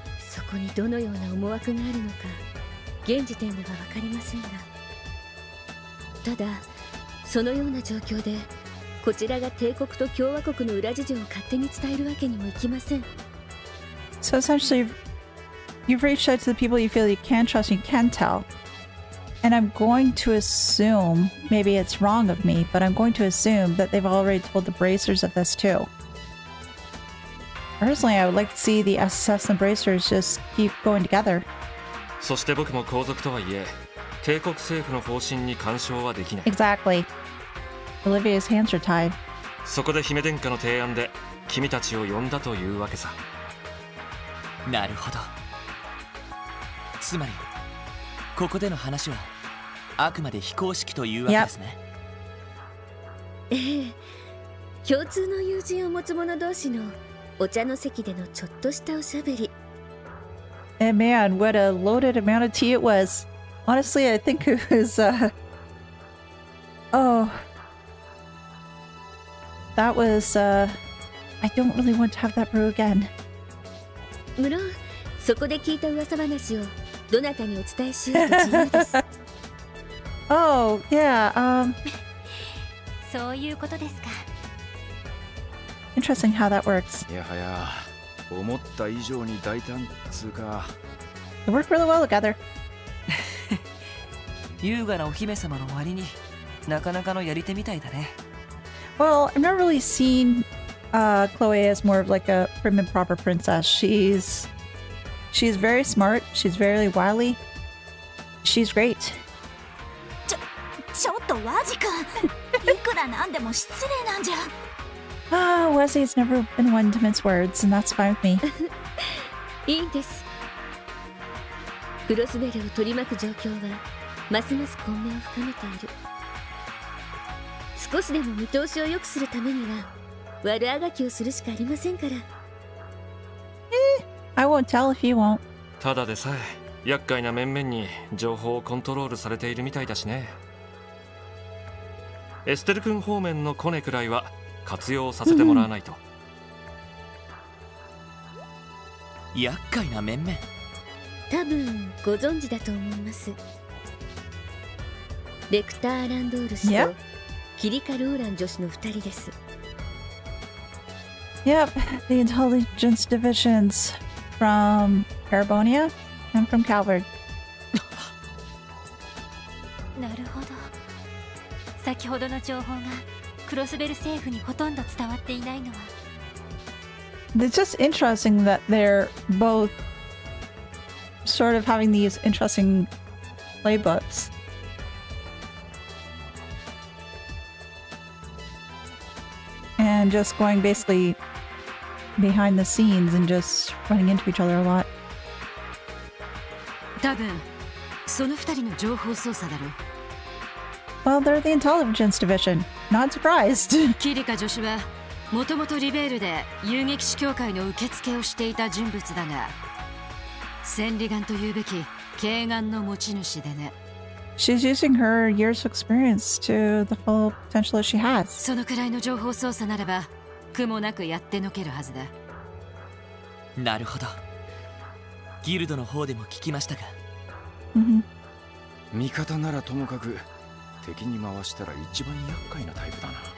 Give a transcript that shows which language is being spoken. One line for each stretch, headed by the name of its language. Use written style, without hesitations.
Japanese: そこにどのような思惑があるのか現時点では分かりませんが、ただそのような状況でこちらが帝国と共和国の裏事情を勝手に伝えるわけにもいきません。
English: So essentially you've reached out to the people you feel you can trust and you can tell, and I'm going to assume, maybe it's wrong of me, but I'm going to assume that they've already told the Bracers of this too. Personally, I would like to see the SSS and Bracers just keep going together.
Japanese: そして僕も皇族とはいえ帝国政府の方針に干渉はできない。
English: Exactly. Olivia's hands are tied.
Japanese: そこで姫殿下の提案で君たちを呼んだというわけさ。なるほど。つまりここでの話はあくまで非公式というわけですね。ええ、共通の友人を持つ者同士のお茶の席でのちょっとしたおしゃべり。
English: And man, what a loaded amount of tea it was. Honestly, I think it was, That was, I don't really want to have that brew again.
Japanese: 無論、そこで聞いた噂話をどなたにお伝えしようと自由です。
English: Oh, yeah,
Japanese: そういうことですか。
English: Interesting how that works.
Japanese: いやはや、思った以上に大胆つうか。
English: It worked really well together.
Japanese: 優雅なお姫様の割に、なかなかのやり手みたいだね。
English: Well, I've never really seen Chloe as more of like a prim and proper princess. She's very smart. She's very wily. She's great.
Japanese: ちょっと、Wazzy-kun! いくらなんでも失礼なんじゃ。
English: Ah, Wazzy's never been one to mince words, and that's fine with me.
Japanese: いいんです。クロスベルを取り巻く状況は、ますます混迷を深めている。少しでも見通しを良くするためには悪あがきをするしかありませんから。
English: I won't tell if you won't.
Japanese: ただでさえ厄介な面々に情報をコントロールされているみたいだしね。エステル君方面のコネくらいは活用させてもらわないと。厄介な面々。多分ご存知だと思います。レクター・アランドール氏と、
English: yep.
Japanese: キリカローラン女子の二人です。
English: Yep, the intelligence divisions from Carbonia and from Calvard.
Japanese: なるほど。先ほどの情報がクロスベル政府にほとんど伝わっていないのは。
English: It's just interesting that they're both sort of having these interesting playbooks. And just going basically behind the scenes and just running into each other a lot.
Japanese: 多分その二人の情報操作だろう。
English: Well, they're the intelligence division. Not surprised.
Japanese: キリカ女子はもともとリベールで遊撃士協会の受付をしていた人物だが、千里眼というべき軽眼の持ち主でね。
English: She's using her years of experience to the full potential that she has.
Japanese: そのくらいの情報操作ならば、苦もなくやってのけるはずだ。なるほど。ギルドの方でも聞きましたか。味方ならともかく、敵に回したら一番厄介なタイプだな。